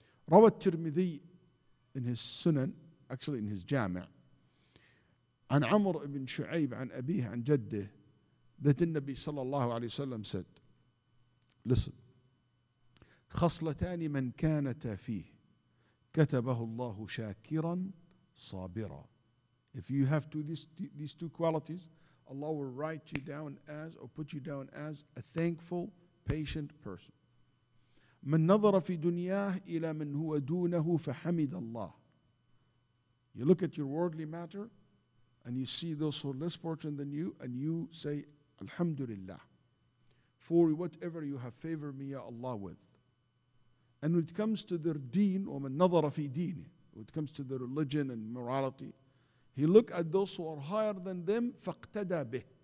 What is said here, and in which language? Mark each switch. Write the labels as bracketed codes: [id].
[en] Rawat Tirmidhi in his sunan, actually in his jami', an Amr ibn Shu'ayb, an Abih, an Jaddih, that the Nabi sallallahu alayhi wa sallam said, listen, [ar] خصلتان من كانتا فيه كتبه الله شاكرا صابرا. [en] If you have these two qualities, Allah will write you down as or put you down as a thankful, patient person. [ar] من نظر في دنياه إلى من هو دونه فحمد الله. [en] You look at your worldly matter and you see those who are less fortunate than you and you say, Alhamdulillah, for whatever you have favored me, Ya Allah, with. And when it comes to their deen, [ar] ومن نظر في دينه, [en] when it comes to the religion and morality. He looked at those who are higher than them, [ar] فَاقْتَدَى بِهِ.